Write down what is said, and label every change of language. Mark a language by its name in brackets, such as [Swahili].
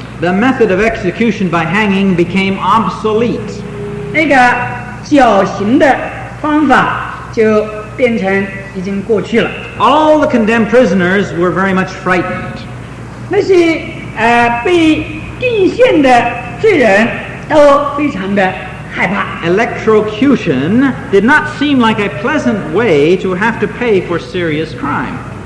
[English] the method of execution by hanging became obsolete. [Chinese] 那个绞刑的方法就变成已经过去了. [English] All the condemned prisoners were very much frightened. [Chinese] 那些被定线的罪人都非常的害怕. [English] Electrocution did not seem like a pleasant way to have to pay for serious crime.